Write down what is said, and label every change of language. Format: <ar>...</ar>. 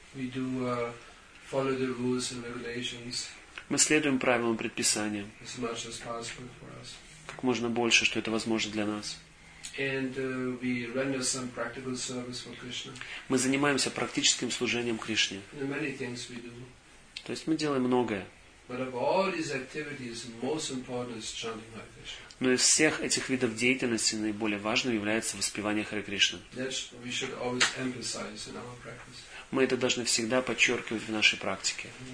<en>Follow the rules and regulations.</en> <ru>Мы следуем правилам и предписаниям.</ru> <en>As much as possible for us.</en> <ru>Как можно больше, что это возможно для нас.</ru> <en>And we render some practical service for Krishna.</en> <ru>Мы занимаемся практическим служением Кришне.</ru> <en>And many things we do.</en> <ru>То есть мы делаем многое.</ru> <en>But of all these activities, most important is chanting Hare Krishna.</en> <ru>Но из всех этих видов деятельности наиболее важным является воспевание Харе Кришны.</ru> <en>We should always emphasize in our practice.</en> <ru>Мы это должны всегда подчеркивать в нашей практике.</ru>